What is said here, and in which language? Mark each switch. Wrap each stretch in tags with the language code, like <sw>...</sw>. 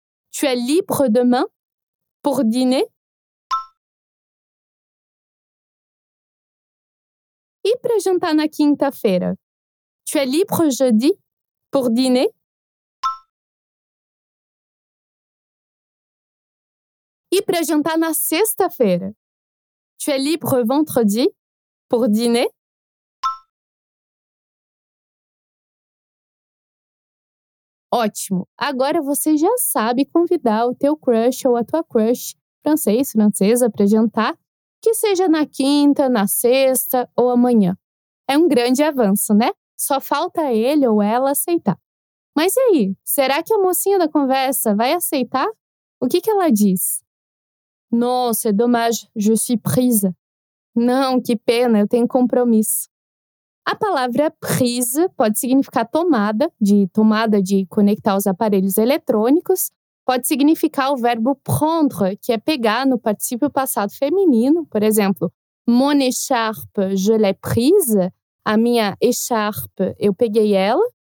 <fr>Tu es libre demain pour dîner?</fr> <pt>E para jantar na quinta-feira?</pt> <fr>Tu es libre jeudi pour dîner?</fr> <pt>E para jantar na sexta-feira?</pt> <fr>Tu es libre vendredi pour dîner?</fr> <pt>Ótimo! Agora você já sabe convidar o teu crush ou a tua crush francês, francesa, para jantar, que seja na quinta, na sexta ou amanhã. É um grande avanço, né? Só falta ele ou ela aceitar. Mas e aí? Será que a mocinha da conversa vai aceitar? O que, que ela diz?</pt> <fr>Non, c'est dommage, je suis prise.</fr> <pt>Não, que pena, eu tenho compromisso. A palavra prise pode significar tomada de conectar os aparelhos eletrônicos, pode significar o verbo prendre, que é pegar no particípio passado feminino. Por exemplo,</pt> <fr>mon écharpe, je l'ai prise,</fr> <pt>a minha écharpe, eu peguei ela.</pt>